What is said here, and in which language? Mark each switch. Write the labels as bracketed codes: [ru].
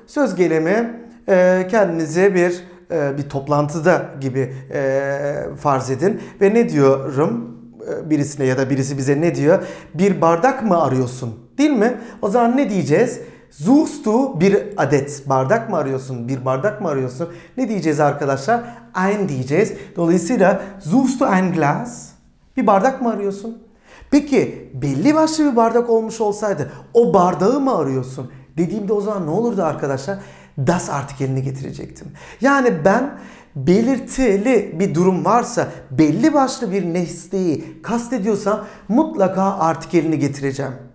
[tr] Söz gelimi kendinize bir toplantıda gibi farz edin. Ve ne diyorum birisine ya da birisi bize ne diyor? Bir bardak mı arıyorsun? Değil mi? O zaman ne diyeceğiz? [de] Suchst du [tr] bir adet bardak mı arıyorsun? Bir bardak mı arıyorsun? Ne diyeceğiz arkadaşlar? Ein diyeceğiz. Dolayısıyla [de] suchst du ein Glas? [tr] Bir bardak mı arıyorsun? Peki belli başlı bir bardak olmuş olsaydı o bardağı mı arıyorsun? Dediğimde o zaman ne olurdu arkadaşlar? Das artikelini getirecektim. Yani ben belirtili bir durum varsa, belli başlı bir nesneyi kastediyorsam mutlaka artikelini getireceğim.